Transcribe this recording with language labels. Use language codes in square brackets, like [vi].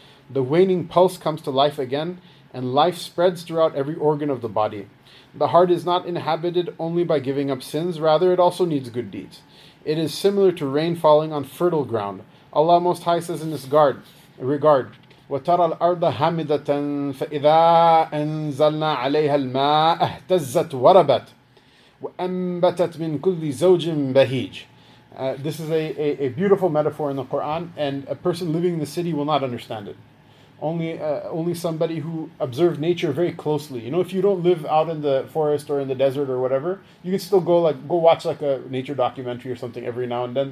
[en] The waning pulse comes to life again, and life spreads throughout every organ of the body. The heart is not inhabited only by giving up sins, rather it also needs good deeds. It is similar to rain falling on fertile ground. Allah Most High says in this regard, [ar] وَتَرَى الْأَرْضَ هَامِدَةً فَإِذَا أَنزَلْنَا عَلَيْهَا الْمَاءَ اهْتَزَّتْ وَرَبَتْ وَأَنبَتَتْ مِن كُلِّ زَوْجٍ بَهِيجٍ. [en] This is a beautiful metaphor in the Quran, and a person living in the city will not understand it. Only somebody who observes nature very closely. You know, if you don't live out in the forest or in the desert or whatever, you can still go watch a nature documentary or something every now and then.